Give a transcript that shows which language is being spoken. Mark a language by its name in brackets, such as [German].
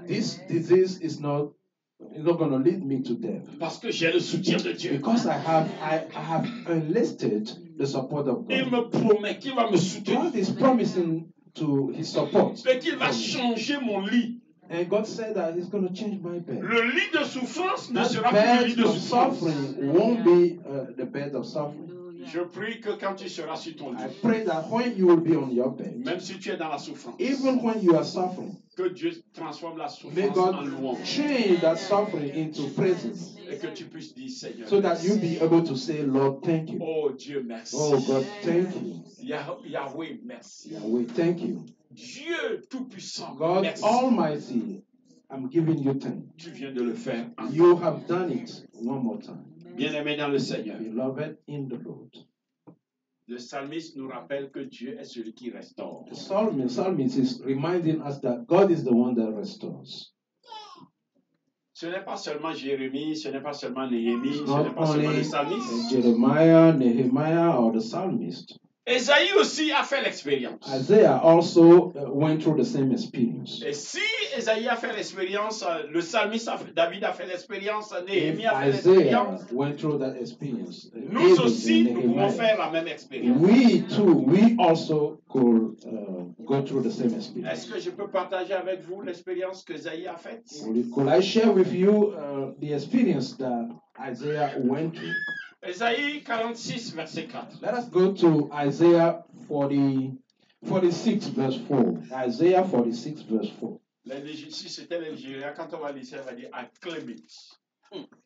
[English] This disease is not, it's not going to lead me to death. [French] Parce que j'ai le soutien de Dieu. [English] Because I have enlisted the support of God. [French] Il me promet qu'il va me soutenir. [English] God is promising to his support. [French] Mais qu'il va changer mon lit. [English] And God said that he's going to change my bed. [French] Le lit de souffrance ne sera plus le lit de [English] suffering won't be the bed of suffering. [French] Je prie que quand tu seras sur ton lit, [English] I pray that when you will be on your bed, [French] même si tu es dans la souffrance, [English] even when you are suffering, [French] que Dieu transforme la souffrance [English] God [French] en louange. [English] Change that suffering into praises. [French] Et que tu puisses dire Seigneur. [English] So that you'll be able to say, Lord, thank you. [French] Oh Dieu, merci. [English] Oh God, thank you. [French] Yahweh, merci. [English] Yahweh, thank you. [French] Dieu tout-puissant, [English] God [French] merci. [English] Almighty, I'm giving you thanks. [French] Tu viens de le faire. [English] You have done it one more time. [French] Bien-aimé dans le Seigneur. [English] Beloved in the Lord. [French] Le psalmiste nous rappelle que Dieu est celui qui restaure. [English] The psalmist is reminding us that God is the one that restores. [French] Ce n'est pas seulement Jérémie, ce n'est pas seulement Néhémie, ce n'est pas seulement le psalmiste. [English] Jeremiah, Nehemiah, or the psalmist. [French] Esaïe aussi a fait l'expérience. [English] Isaiah also went through the same experience. [French] Et si Esaïe a fait l'expérience, le psalmiste David a fait l'expérience, Néhémie a fait l'expérience. [English] Went through that experience. [French] Nous David aussi, nous pouvons faire la même expérience. [English] We too, we also could go through the same experience. [French] Est-ce que je peux partager avec vous l'expérience que Esaïe a faite? [English] Could I share with you the experience that Isaiah went through? [French] Esaïe 46, verset 4. [English] Let us go to Isaiah 46, verse 4. Isaiah 46, verse 4. [French] Si c'était l'Algérie, quand on va lire, on va dire, [English] I claim it.